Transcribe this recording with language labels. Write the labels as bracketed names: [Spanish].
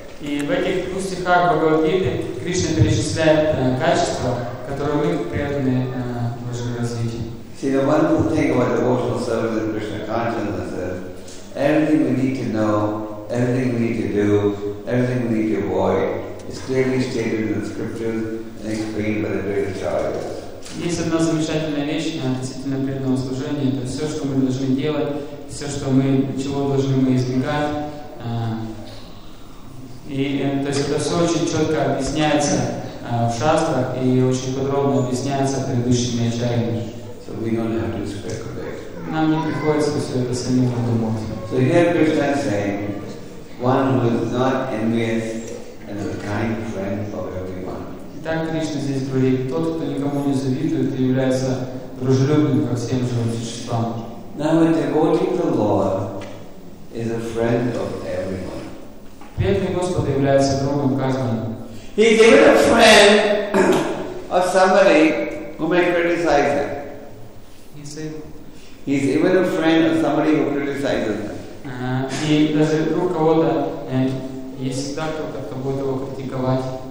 [Russian] И в этих двух стихах Бхагавад-гиты Кришна перечисляет качества, которые мы преданные должны развить. [English] See, the wonderful thing about devotional service in Krishna consciousness is everything we need to know, everything we need to do, everything we need to avoid is clearly stated in the scriptures and explained by the great acharyas. [Russian] Есть одна замечательная вещь относительно преданного служения. Это все, что мы должны делать, все, что мы, чего должны мы избегать. И то есть это все очень четко объясняется в шастрах и очень подробно объясняется предыдущими ачарьями. [English] So we don't have to speculate. [Russian] Нам не приходится все это самим подумать. [English] So here Krishna is saying, one who is not envious and a kind friend for everyone. [Russian] Итак, Кришна здесь говорит, тот, кто никому не завидует, является дружелюбным ко всем живым существам. [English] Now a devotee to the Lord is a friend of everyone. [Russian] Преданный Господу является другом каждому. [English] He is even a friend of somebody who may criticize him. He is even a friend of somebody who criticizes him. [Russian] И даже друг кого-то, если так, то кто будет его критиковать.